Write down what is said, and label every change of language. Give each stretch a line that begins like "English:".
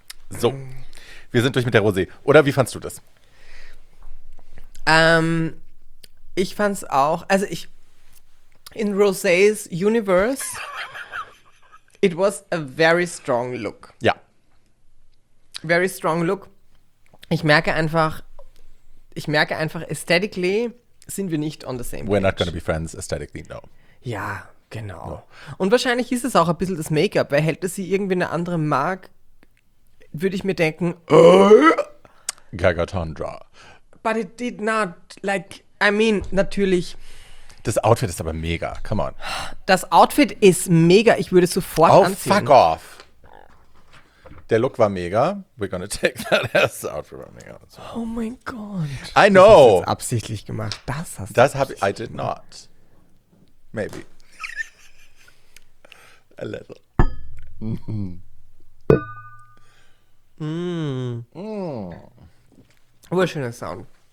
German: So, wir sind durch mit der Rosé. Oder wie fandst du das? Ich fand's auch, also ich,
English: in Rosés Universe, it was a very strong look.
German: Ja.
English: Very strong look.
German: Ich merke einfach, aesthetically sind wir nicht
English: on the same page. We're not gonna be friends aesthetically, no.
German: Ja, genau. No. Und wahrscheinlich ist es auch ein bisschen das Make-up, weil hätte sie irgendwie eine andere Marke, würde ich mir denken, Gagatandra.
English: But it did not, like, I mean,
German: natürlich. Das Outfit ist aber mega,
English: come on.
German: Das Outfit ist mega, ich würde sofort anziehen. Oh,
English: fuck off.
German: Der Look war mega,
English: we're gonna take that as the outfit
German: war mega. So. Oh mein Gott.
English: I know.
German: Das hast du absichtlich gemacht, das hast du. Das habe ich,
English: I did not. Maybe. A little.
German: Mmm. Oh, schöner Sound.